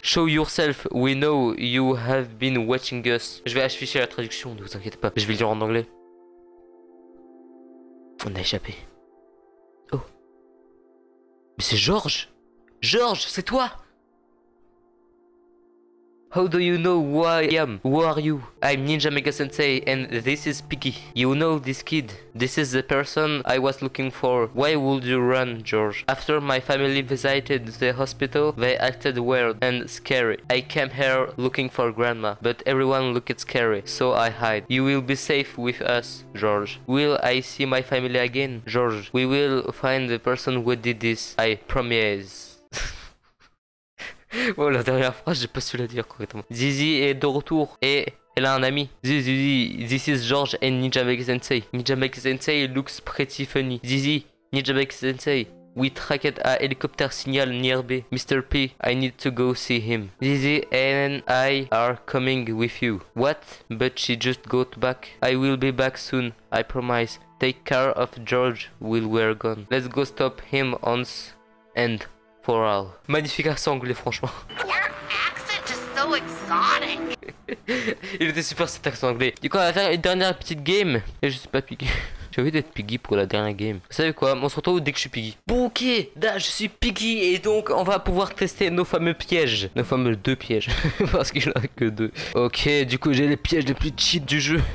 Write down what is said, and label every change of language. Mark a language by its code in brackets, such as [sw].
[en] Show yourself, we know you have been watching us. [fr] Je vais afficher la traduction, ne vous inquiétez pas. Je vais le dire en anglais. On a échappé. Oh. Mais c'est George. George, c'est toi. [en] How do you know who I am? Who are you? I'm Ninja Mega Sensei and this is Piggy. You know this kid? This is the person I was looking for. Why would you run, George? After my family visited the hospital, they acted weird and scary. I came here looking for grandma, but everyone looked scary, so I hide. You will be safe with us, George. Will I see my family again? George, we will find the person who did this, I promise. [fr] Bon, la dernière phrase, j'ai pas su la dire correctement. Zizi est de retour et elle a un ami. [en] Zizi, this is George and Ninja Mega Sensei. Ninja Mega Sensei looks pretty funny. Zizi, Ninja Mega Sensei, we tracked a helicopter signal nearby. Mr. P, I need to go see him. Zizi and I are coming with you. What? But she just got back. I will be back soon, I promise. Take care of George while we're gone. Let's go stop him once and... For all. Magnifique accent anglais, franchement. Your accent is so exotic. [fr] Il était super cet accent anglais. Du coup, on va faire une dernière petite game. Et je suis pas Piggy. J'ai envie d'être Piggy pour la dernière game. Vous savez quoi? On se retrouve dès que je suis Piggy. Bon, ok, là je suis Piggy et donc on va pouvoir tester nos fameux pièges. Nos fameux deux pièges. Parce qu'il n'y en a que deux. Ok, du coup, j'ai les pièges les plus cheat du jeu.